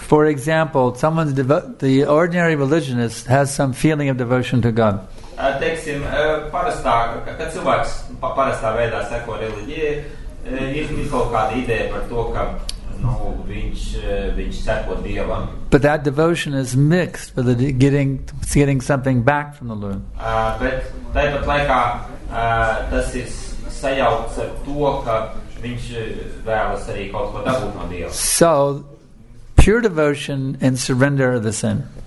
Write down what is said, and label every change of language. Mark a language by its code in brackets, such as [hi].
[en] For example, someone's the ordinary religionist has some feeling of devotion to God. [lv] Teiksim, parastā, ka cilvēks parastā veidā seko reliģijai, ir kaut kāda ideja par to, ka nu, viņš seko Dievam. [en] But that devotion is mixed with getting something back from the Lord. [lv] Bet tāpat laikā tas ir sajaucis ar to, ka viņš vēlas arī kaut ko dabūt no Dieva. [en] So, pure devotion and surrender are the same.